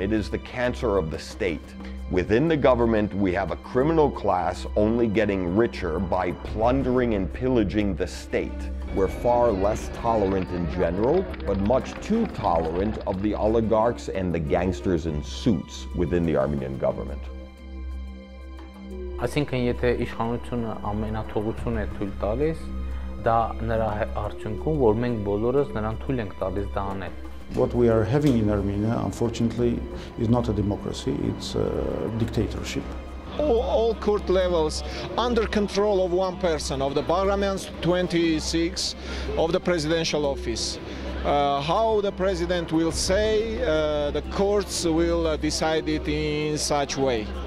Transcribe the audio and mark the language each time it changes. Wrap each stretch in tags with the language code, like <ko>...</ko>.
<en>It is the cancer of the state. Within the government, we have a criminal class only getting richer by plundering and pillaging the state. We're far less tolerant in general, but much too tolerant of the oligarchs and the gangsters in suits within the Armenian government.</en> <hy>Այսինքն, եթե իշխանությունը ամենաթողություն է թույլ տալիս, դա նրա արդյունքում, որ մենք բոլորս նրան թույլ ենք տալիս դա անել.</hy> <en>What we are having in Armenia, unfortunately, is not a democracy, it's a dictatorship. All court levels under control of one person, of the parliament's 26, of the presidential office. How the president will say, the courts will decide it in such way.</en>